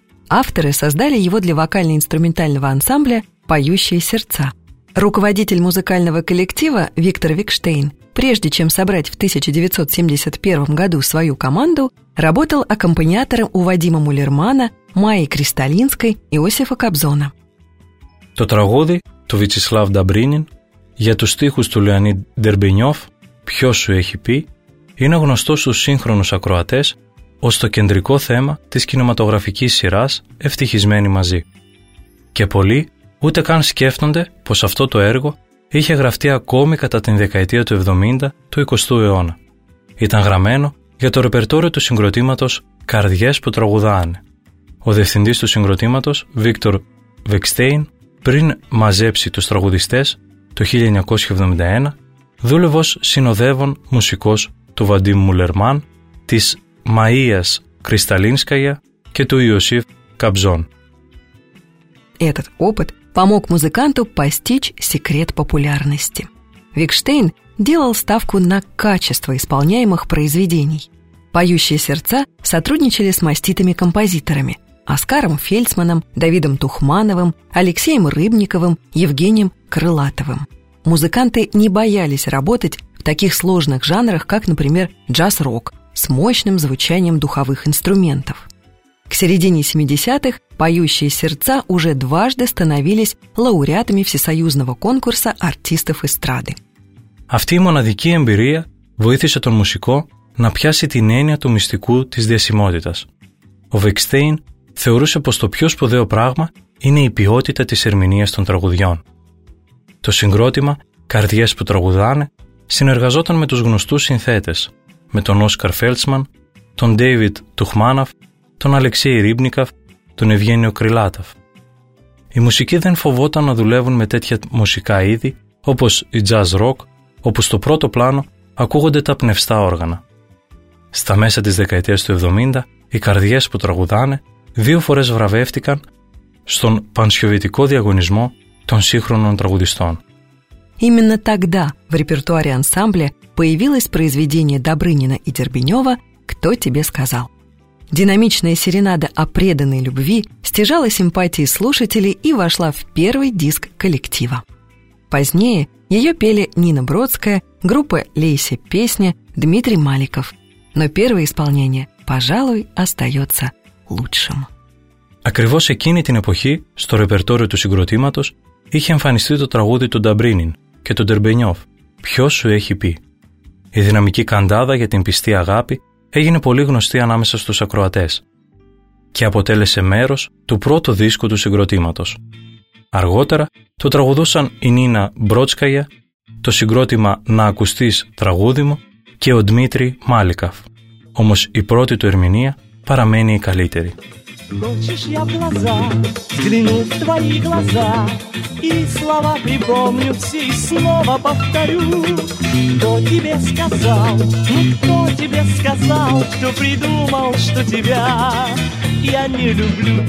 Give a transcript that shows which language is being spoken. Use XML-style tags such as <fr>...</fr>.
<ru>Авторы создали его для вокально-инструментального ансамбля «Поющие сердца». Руководитель музыкального коллектива Виктор Викштейн, прежде чем собрать в 1971 году свою команду, работал аккомпаниатором у Вадима Мулермана, Майи Кристалинской, Иосифа Кобзона.</ru> <el>То трагоди, то Вячеслав Добрынин, για τους στίχους του Леонид Дербенёв, «Ποιος σου έχει πει», είναι γνωστό στους σύγχρονους ακροατές ως το κεντρικό θέμα της κινηματογραφικής σειράς «Ευτυχισμένοι μαζί». Και πολλοί ούτε καν σκέφτονται πως αυτό το έργο είχε γραφτεί ακόμη κατά την δεκαετία του 70 του 20ου αιώνα. Ήταν γραμμένο για το ρεπερτόριο του συγκροτήματος «Καρδιές που τραγουδάνε». Ο διευθυντής του συγκροτήματος, Βίκτορ Βικστέιν, πριν μαζέψει τους τραγουδιστές το 1971, δούλευε ως συνοδεύων μουσικός του Βαντίμ Μουλερμάν, της Μαΐας Κρυσταλίνσκαγια και του Ιωσήφ Καμπζόν.</el> <ru>Этот опыт помог музыканту постичь секрет популярности. Викштейн делал ставку на качество исполняемых произведений. «Поющие сердца» сотрудничали с маститыми композиторами – Оскаром Фельдсманом, Давидом Тухмановым, Алексеем Рыбниковым, Евгением Крылатовым. Музыканты не боялись работать в таких сложных жанрах, как, например, джаз-рок с мощным звучанием духовых инструментов. К середине 70-х «Поющие сердца» уже дважды становились лауреатами всесоюзного конкурса артистов эстрады.</ru> <el>Αυτή η μοναδική εμπειρία βοήθησε τον μουσικό να πιάσει την έννοια του μυστικού της διασημότητας. Ο Βικστέιν θεωρούσε πως το πιο σπουδαίο πράγμα είναι η ποιότητα της ερμηνείας των τραγουδιών. Το συγκρότημα «Καρδιές που τραγουδάνε» συνεργαζόταν με τους γνωστούς συνθέτες, με τον Όσκαρ Φέλτσμαν, τον Ντέιβιτ Τουχμάναφ, τον Αλεξέη Ρίμπνικαφ, τον Ευγένιο Κρυλάταφ. Οι μουσικοί δεν φοβόταν να δουλεύουν με τέτοια μουσικά είδη όπως η jazz rock, όπου στο πρώτο πλάνο ακούγονται τα πνευστά όργανα. Στα μέσα της δεκαετίας του 70, οι καρδιές που τραγουδάνε δύο φορές βραβεύτηκαν στον πανσιωβητικό διαγωνισμό των σύγχρονων τραγουδιστών.</el> <ru>Именно тогда в репертуаре ансамбля появилось произведение Добрынина и Дербенёва «Кто тебе сказал?» Динамичная серенада о преданной любви стяжала симпатии слушателей и вошла в первый диск коллектива. Позднее ее пели Нина Бродская, группа «Лейся песня», Дмитрий Маликов. Но первое исполнение, пожалуй, остается лучшим.</ru> <el>Ακριβώς εκείνη την εποχή, στο ρεπερτόριο του συγκροτήματος, είχε εμφανιστεί το τραγούδι του Νταμπρίνιν και του Ντερμπενιόφ «Ποιος σου έχει πει». Η δυναμική καντάδα για την πιστή αγάπη έγινε πολύ γνωστή ανάμεσα στους ακροατές και αποτέλεσε μέρος του πρώτου δίσκου του συγκροτήματος. Αργότερα το τραγουδούσαν η Νίνα Μπρότσκαγια, το συγκρότημα «Να ακουστείς τραγούδι μου» και ο Δημήτρη Μάλικαφ. Όμως η πρώτη του ερμηνεία παραμένει η καλύτερη.</el> <ru>Хочешь, я в глаза взгляну в твои глаза и слова припомню все и снова повторю. Кто тебе сказал, кто тебе сказал, кто придумал, что тебя я не люблю.</ru>